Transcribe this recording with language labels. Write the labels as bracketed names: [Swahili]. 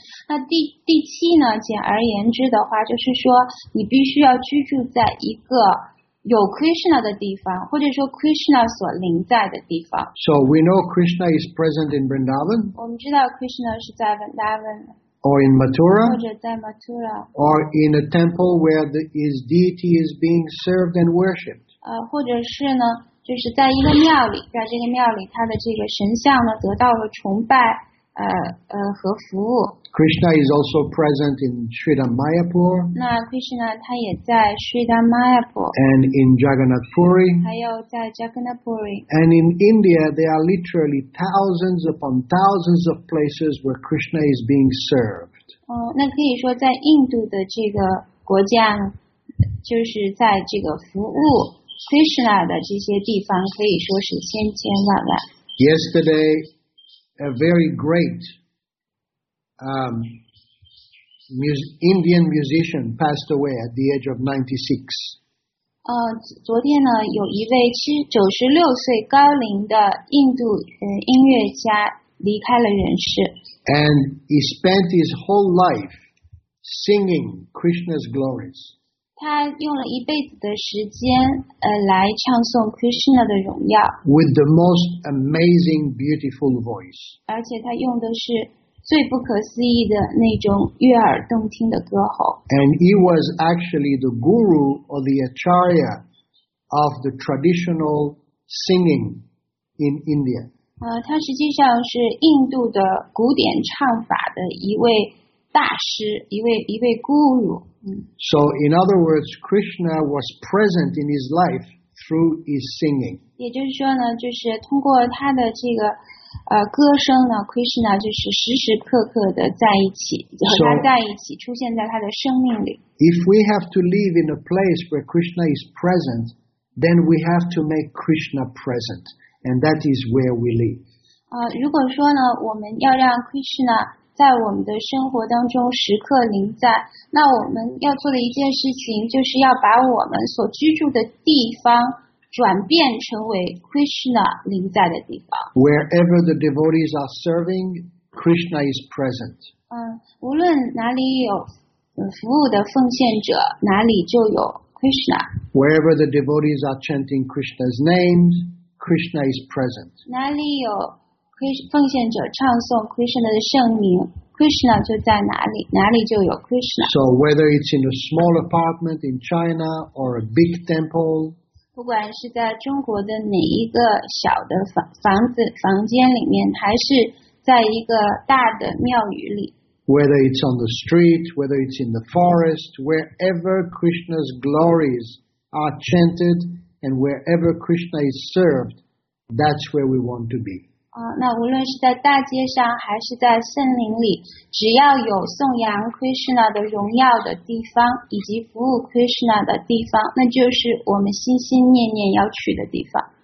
[Chinese] 那第七呢，简而言之的话，就是说你必须要居住在一个有 Krishna 的地方，或者说 Krishna 所临在的地方。 [English] So we know Krishna is present in Vrindavan. [Chinese] 我们知道 Krishna 是在 Vrindavan。 [English] Or in Mathura, [Chinese] 或者在 Mathura, [English] or in a temple where his deity is being served and worshipped. [Chinese] 或者是呢，就是在一个庙里，在这个庙里，他的这个神像呢，得到了崇拜，和服务。 [English] Krishna is also present in Sridharmayapur. [Chinese] 那 Krishna 他也在 Sridharmayapur. [English] And in Jagannath Puri. [Chinese] 还有在 Jagannath Puri. [English] And in India, there are literally thousands upon thousands of places where Krishna is being served. [Chinese] 那可以说在印度的这个国家，就是在这个服务 Krishna 的这些地方，可以说是千千万万。 [English] Yesterday, a very great Indian musician passed away at the age of 96. [Chinese] 昨天呢，有一位96岁高龄的印度音乐家离开了人世。 [English] And he spent his whole life singing Krishna's glories. [Chinese] 他用了一辈子的时间，来唱诵 Krishna 的荣耀。 [English] With the most amazing, beautiful voice. [Chinese] 而且他用的是最不可思议的那种悦耳动听的歌喉。 [English] And he was actually the guru or the acharya of the traditional singing in India. [Chinese] 他实际上是印度的古典唱法的一位大师，一位 guru。 [English] So in other words, Krishna was present in his life through his singing. [Chinese] 也就是说呢，就是通过他的这个歌声呢 ，Krishna 就是时时刻刻的在一起，和他在一起，出现在他的生命里。 [English] If we have to live in a place where Krishna is present, then we have to make Krishna present, and that is where we live. [Chinese] 如果说呢，我们要让 Krishna 在我们的生活当中时刻临在，那我们要做的一件事情就是要把我们所居住的地方转变成为 Krishna 临在的地方。 [English] Wherever the devotees are serving, Krishna is present. [Chinese] 无论哪里有服务的奉献者，哪里就有 Krishna. [English] Wherever the devotees are chanting Krishna's names, Krishna is present. [Chinese] 哪里有奉献者唱诵 Krishna 的圣名， Krishna 就在哪里，哪里就有 Krishna. [English] So whether it's in a small apartment in China or a big temple, [Chinese] 不管是在中国的哪一个小的房间里面，还是在一个大的庙宇里， [English] whether it's on the street, whether it's in the forest, wherever Krishna's glories are chanted and wherever Krishna is served, that's where we want to be. [Chinese] 那无论是在大街上还是在森林里，只要有颂扬 Krishna 的荣耀的地方，以及服务 Krishna 的地方，那就是我们心心念念要去的地方。